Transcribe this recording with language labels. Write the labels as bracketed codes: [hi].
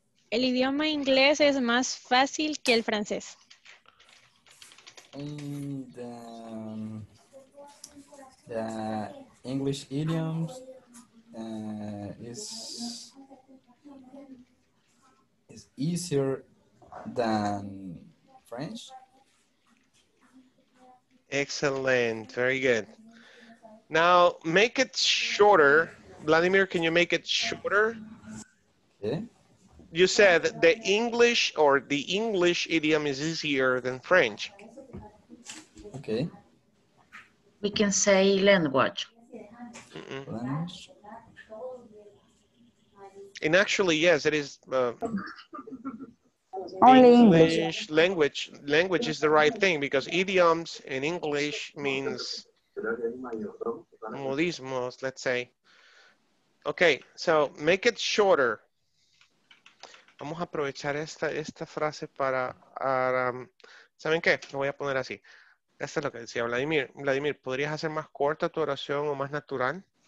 [es] El idioma inglés es más fácil que el francés. [en] And the English idioms is easier than French. Excellent, very good. Now make it shorter. Vladimir, can you make it shorter? Yeah. You said the English or the English idiom is easier than French. Okay. We can say language. Mm-mm. And actually, yes, it is. Only English. Language is the right thing because idioms in English means modismos, let's say. Okay, so make it shorter. [es] Vamos a aprovechar esta frase para ¿saben qué? Lo voy a poner así. Esto es lo que decía Vladimir. Vladimir, ¿podrías hacer más corta tu oración o más natural?